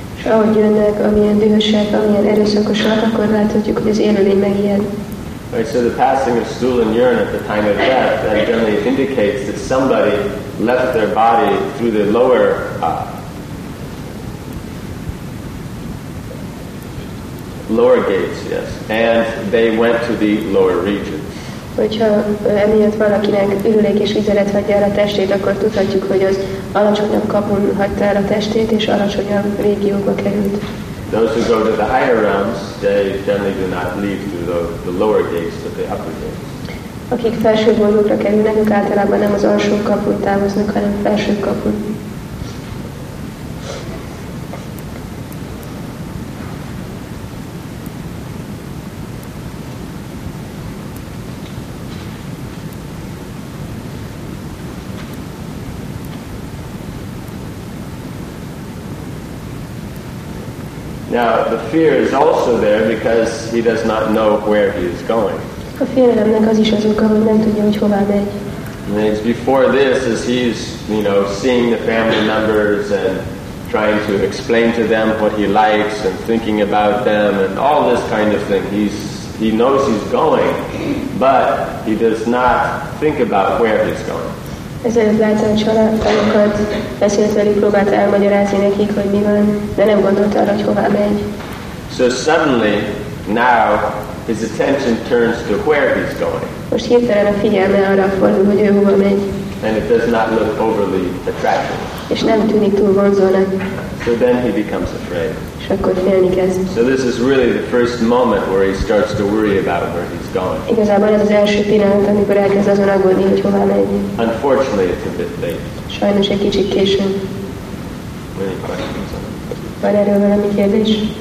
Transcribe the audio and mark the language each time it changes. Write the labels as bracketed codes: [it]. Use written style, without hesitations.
[hu] Ahogy jönnek, amilyen dühösek, amilyen erőszakosak, akkor láthatjuk, hogy az élőlény megijed. [en] Right, so the passing of stool and urine at the time of death, that generally indicates that somebody left their body through the lower lower gates, yes, and they went to the lower regions. [hu] Hogyha emiatt valakinek ürülék és vizelet hagyja el a testét, akkor tudhatjuk, hogy az alacsonyabb kapun hagyta el a testét, és alacsonyabb régiókba került. [en] Those who go to the higher realms, they generally do not leave through the lower gates, but the upper gates. [hu] Akik felső mondókra kerülnek, ők általában nem az alsó kaput távoznak, hanem felső kaput. [en] Now the fear is also there because he does not know where he is going. [hu] A félelemnek az is az oka, hogy nem tudja, hogy hová megy. [en] And before this, as he's, you know, seeing the family members and trying to explain to them what he likes and thinking about them and all this kind of thing, he knows he's going, but he does not think about where he's going. [hu] Ezért látszik, hogy családtagokat beszélt velük, próbált elmagyarázni nekik, hogy mi van, de nem gondolta arra, hogy hová megy. [en] So suddenly, now, his attention turns to where he's going. [hu] Most hirtelen a figyelme arra fordul, hogy ő hova megy. [en] And it does not look overly attractive. [hu] És nem tűnik túl vonzónak. [en] So then he becomes afraid. [hu] És akkor félni kezd. [en] So this is really the first moment where he starts to worry about where he's going. [hu] Igazából ez az első pillanat, amikor elkezd azon aggódni, hogy hová megy. [en] Unfortunately, it's a bit late. [hu] Sajnos egy kicsit későn. [en] Any questions on it? [hu] Van erről valami kérdés?